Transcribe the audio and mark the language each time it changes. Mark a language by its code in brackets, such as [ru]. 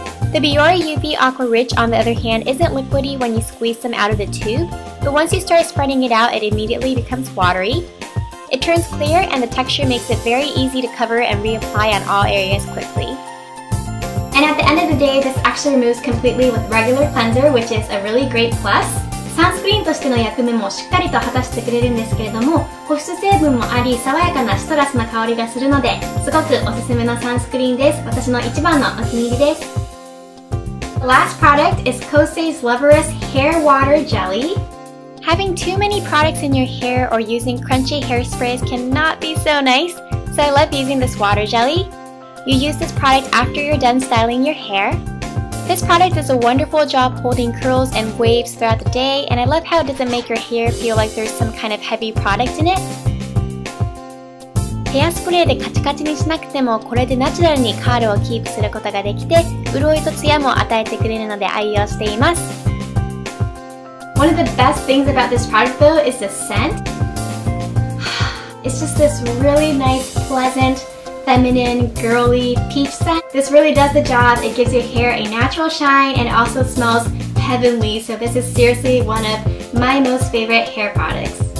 [en] The Biore UV Aqua Rich, on the other hand, isn't liquidy when you squeeze them out of the tube, but once you start spreading it out, it immediately becomes watery. It turns clear and the texture makes it very easy to cover and reapply on all areas quickly. And at the end of the day, this actually removes completely with regular cleanser, which is a really great plus. [ja] サンスクリーンとしての役目もしっかりと果たしてくれるんですけれども、保湿成分もあり、爽やかなシトラスな香りがするので、すごくおすすめのサンスクリーンです。私の一番のお気に入りです。 [en] The last product is Kosei's Loveress Hair Water Jelly. Having too many products in your hair or using crunchy hairsprays cannot be so nice, so I love using this water jelly. You use this product after you're done styling your hair. This product does a wonderful job holding curls and waves throughout the day, and I love how it doesn't make your hair feel like there's some kind of heavy product in it. [ja] ヘアスプレーでカチカチにしなくても、これでナチュラルにカールをキープすることができて、潤いとツヤも与えてくれるので愛用しています。 [en] One of the best things about this product though is the scent. It's just this really nice, pleasant, feminine, girly peach scent. This really does the job. It gives your hair a natural shine and also smells heavenly. So this is seriously one of my most favorite hair products.